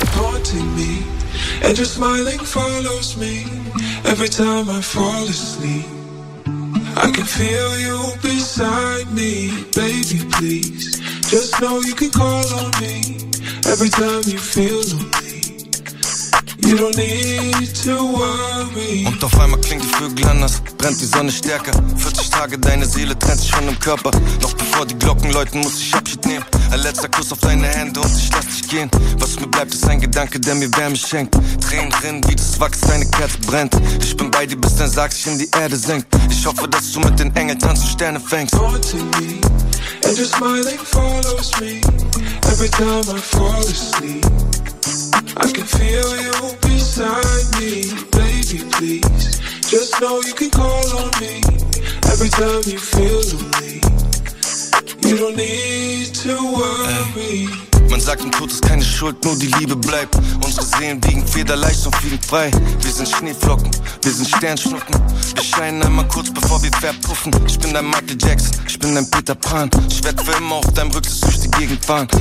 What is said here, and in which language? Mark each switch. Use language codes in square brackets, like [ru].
[en] Haunting me, and your smiling follows me every time I fall asleep. I can feel you beside me, baby. Please, just know you can call on me every time you feel lonely. You don't need to worry. [de] Und auf einmal klingt die Vögel anders, brennt die Sonne stärker. 40 Tage, deine Seele trennt sich von dem Körper. Noch bevor die Glocken läuten, muss ich Abschied nehmen. Ein letzter Kuss auf deine Hände und ich lass dich gehen. Was mir bleibt, ist ein Gedanke, der mir Wärme schenkt. Tränen rinnen, wie das Wachs, deine Kerze brennt. Ich bin bei dir, bis dein Sarg sich in die Erde senkt. Ich hoffe, dass du mit den Engeln tanzt und Sterne fängst. [en] And your smiling follows me every time I fall asleep. I can feel you beside me, baby, please. Just know you can call on me every time you feel lonely. You don't need to worry. [de] Man sagt, im Tod ist keine Schuld, nur die Liebe bleibt. Unsere Seelen wiegen federleicht und fliegen frei. Wir sind Schneeflocken, wir sind Sternschnuppen. Wir scheinen einmal kurz, bevor wir verpuffen. Ich bin dein Michael Jackson, ich bin dein Peter Pan. Ich werd für immer auf deinem Rücksitz durch die Gegend fahren.